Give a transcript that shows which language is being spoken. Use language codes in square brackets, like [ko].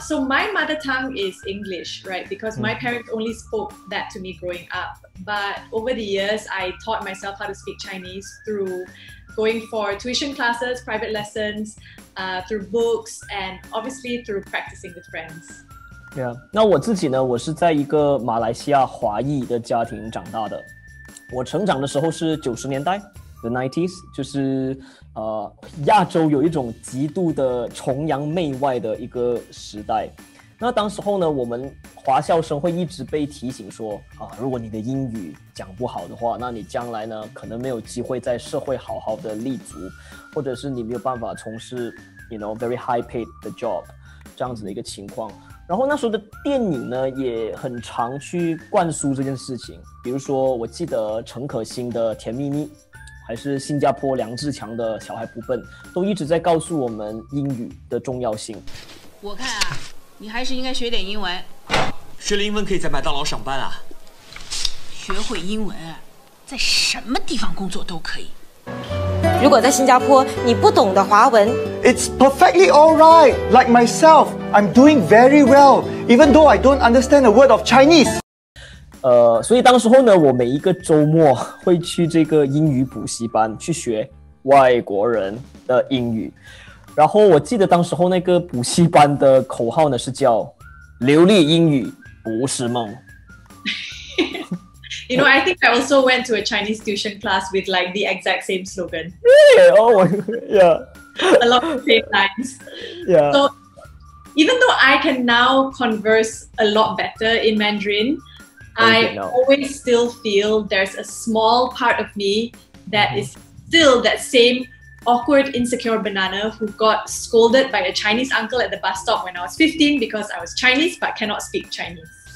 [en] So my mother tongue is English, right? Because my parents only spoke that to me growing up. But over the years, I taught myself how to speak Chinese through going for tuition classes, private lessons, through books, and obviously through practicing with friends. Yeah. [zh] 那我自己呢，我是在一个马来西亚华裔的家庭长大的。我成长的时候是90年代 ， [en] the '90s， [zh] 就是亚洲有一种极度的崇洋媚外的一个时代。那当时候呢，我们华校生会一直被提醒说啊，如果你的英语讲不好的话，那你将来呢可能没有机会在社会好好的立足，或者是你没有办法从事 ， [en] you know very high paid [zh] 的 job 这样子的一个情况。然后那时候的电影呢也很常去灌输这件事情，比如说我记得陈可辛的《甜蜜蜜》，还是新加坡梁志强的《小孩不笨》，都一直在告诉我们英语的重要性。我看啊，你还是应该学点英文。学了英文可以在麦当劳上班啊。学会英文在什么地方工作都可以。如果在新加坡你不懂的华文， [en] It's perfectly alright. Like myself, I'm doing very well, even though I don't understand a word of Chinese. [zh] 所以当时候呢，我每一个周末会去这个英语补习班去学外国人的英语。然后我记得当时候那个补习班的口号呢是叫流利英语不是梦。 [en] You know, I think I also went to a Chinese tuition class with like the exact same slogan. Really? Oh my god, yeah. A lot of the same lines. Yeah. So, even though I can now converse a lot better in Mandarin, I always still feel there's a small part of me that is still that same awkward, insecure banana who got scolded by a Chinese uncle at the bus stop when I was 15 because I was Chinese but cannot speak Chinese.